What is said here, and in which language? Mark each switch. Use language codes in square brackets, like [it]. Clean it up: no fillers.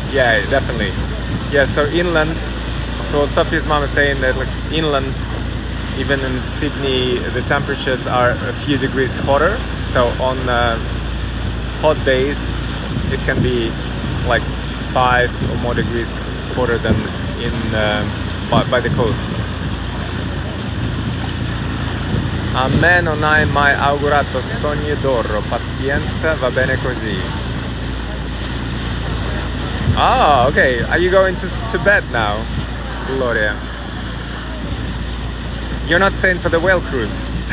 [en] Yeah, definitely. Yeah, so inland, so Sophie's mom is saying that like inland, even in Sydney, the temperatures are a few degrees hotter. So on hot days, it can be like 5 or more degrees hotter than in by the coast. [it] A me non hai mai augurato sogni d'oro, pazienza, va bene così. [en] Ah, oh, okay, are you going to bed now, Gloria? You're not staying for the whale cruise.